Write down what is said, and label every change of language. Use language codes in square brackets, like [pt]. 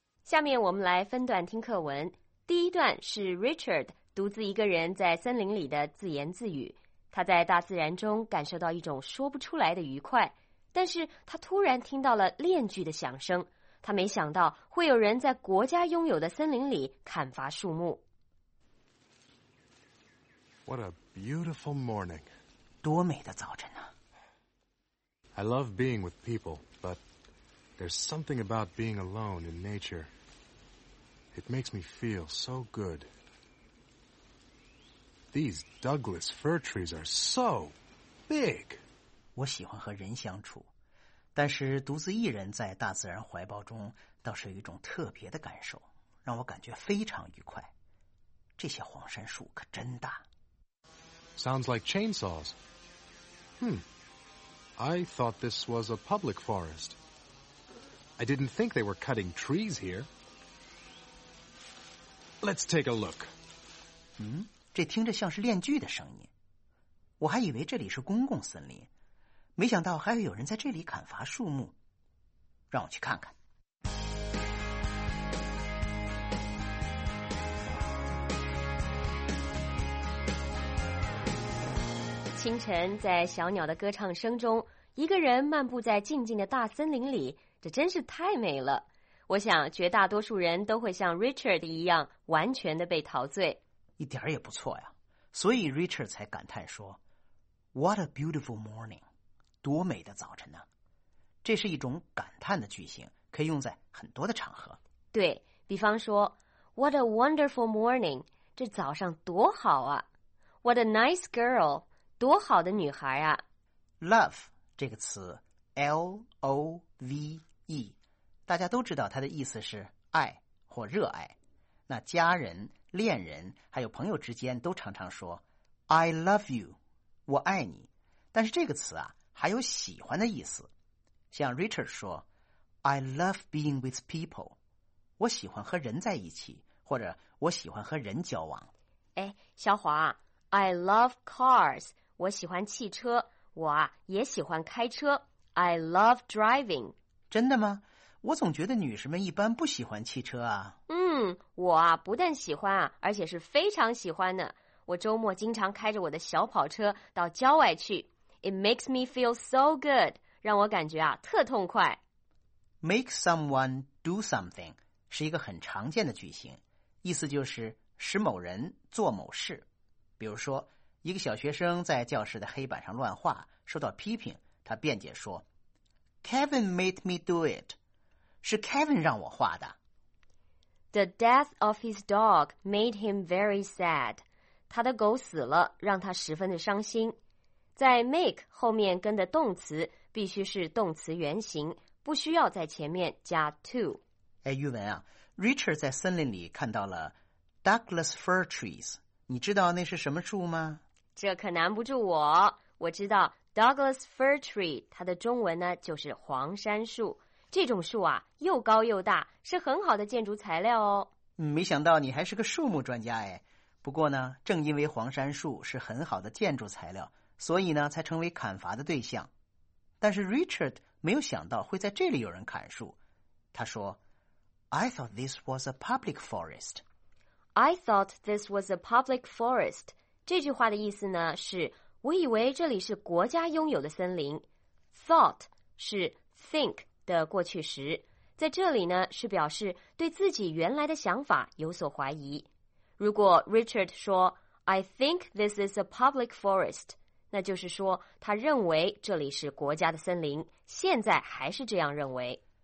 [zh] Richard 独自一个人在森林里的自言自语，他在大自然中感受到一种说不出来的愉快，但是他突然听到了链锯的响声，他没想到会有人在国家拥有的森林里砍伐树木。 [en] What a beautiful morning. [zh] 多美的早晨啊。 [en] I love being with people, but there's something about being alone in nature. It makes me feel so good. These Douglas fir trees are so big. [zh] 我喜欢和人相处，但是独自一人在大自然怀抱中倒是有一种特别的感受，让我感觉非常愉快。这些黄杉树可真大。 [en] Sounds like chainsaws. I thought this was a public forest. I didn't think they were cutting trees here. Let's take a look. [zh] 这听着像是链锯的声音，我还以为这里是公共森林，没想到还有人在这里砍伐树木。让我去看看。清晨在小鸟的歌唱声中，一个人漫步在静静的大森林里，这真是太美了。我想绝大多数人都会像 Richard 一样完全的被陶醉。一点也不错呀，所以 Richard 才感叹说 [en] What a beautiful morning， [zh] 多美的早晨呢、啊、这是一种感叹的句型，可以用在很多的场合。对，比方说 [en] What a wonderful morning， [zh] 这早上多好啊。 [en] What a nice girl， [zh] 多好的女孩啊。 Love 这个词 L-O-V-E， 大家都知道它的意思是爱或热爱，那家人恋人还有朋友之间都常常说 [en] I love you， [zh] 我爱你，但是这个词啊还有喜欢的意思，像 Richard 说 [en] I love being with people， [zh] 我喜欢和人在一起，或者我喜欢和人交往。哎，小华， [en] I love cars， [zh] 我喜欢汽车，我也喜欢开车， [en] I love driving。 [zh] 真的吗？我总觉得女士们一般不喜欢汽车啊。我啊不但喜欢啊，而且是非常喜欢的。我周末经常开着我的小跑车到郊外去。 [en] It makes me feel so good， [zh] 让我感觉啊特痛快。 [en] Make someone do something [zh] 是一个很常见的句型，意思就是使某人做某事。比如说，一个小学生在教室的黑板上乱画，受到批评，他辩解说 ： [en] “Kevin made me do it。” [zh] 是 Kevin 让我画的。 [en] The death of his dog made him very sad. [zh] 他的狗死了，让他十分的伤心。在 make 后面跟的动词必须是动词原形，不需要在前面加 to。哎，玉文啊 ，Richard 在森林里看到了 Douglas fir trees， 你知道那是什么树吗？这可难不住我。我知道 Douglas fir tree， 它的中文呢就是黄杉树。这种树啊又高又大，是很好的建筑材料哦。没想到你还是个树木专家哎。不过呢，正因为黄杉树是很好的建筑材料，所以呢才成为砍伐的对象。但是 Richard 没有想到会在这里有人砍树。他说 [en] I thought this was a public forest. I thought this was a public forest. [zh] 这句话的意思呢是我以为这里是国家拥有的森林。 Thought 是 think的过去时，在这里呢是表示对自己原来的想法有所怀疑。如果 Richard 说 [en] I think this is a public forest， [zh] 那就是说他认为这里是国家的森林，现在还是这样认为。